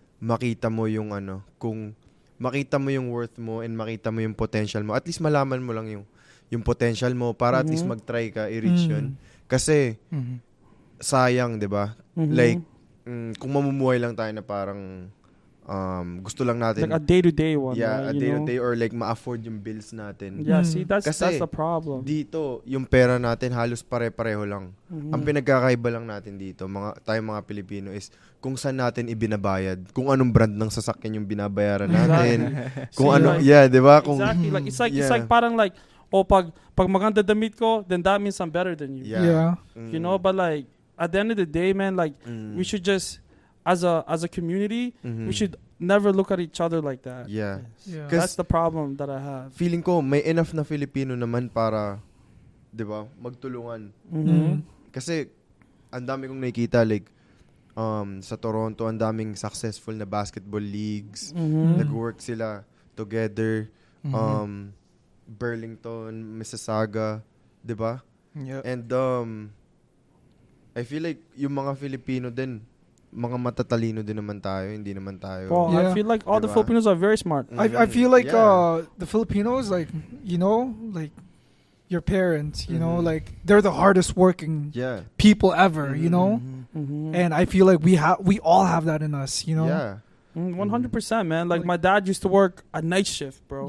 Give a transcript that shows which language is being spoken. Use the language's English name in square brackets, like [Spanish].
[Filipino] makita mo yung ano, kung makita mo yung worth mo and makita mo yung potential mo, at least malaman mo lang yung potential mo para at least mag-try ka i-reach yun. Kasi sayang, di ba? Mm-hmm. Like, kung mamumuhay lang tayo na parang gusto lang natin. [English] Like a day-to-day one. Yeah, right? [Filipino] day-to-day or like ma-afford yung bills natin. [English] Yeah, see, that's the problem. [Filipino] Dito, yung pera natin halos pare-pareho lang. Mm-hmm. Ang pinagkakaiba lang natin dito, tayo mga Pilipino, is kung saan natin ibinabayad, kung anong brand ng sasakyan yung binabayaran natin. Kung see, ano, like, yeah, di ba? [English] Exactly. Like, it's like parang like, oh, [Filipino] pag maganda damit ko, [English] then that means I'm better than you. Yeah. You know, but like, at the end of the day, man, like, we should just... As a community, we should never look at each other like that. Yeah. Yeah. That's the problem that I have. [Filipino] Feeling ko, may enough na Filipino naman para, di ba, magtulungan. Mm-hmm. Kasi, ang dami kong nakikita, like, sa Toronto, ang daming successful na basketball leagues. Mm-hmm. Nag-work sila together. Mm-hmm. Burlington, Mississauga, di ba? [English] Yep. And I feel like [Filipino] yung mga Filipino din, mga matatalino din naman tayo, hindi naman tayo. [English] Well, yeah. I feel like all the Filipinos are very smart. Mm-hmm. I feel like the Filipinos, like, you know, like your parents, you know, like they're the hardest working people ever, you know? Mm-hmm. And I feel like we all have that in us, you know? Yeah. 100%, man. Like my dad used to work a night shift, bro.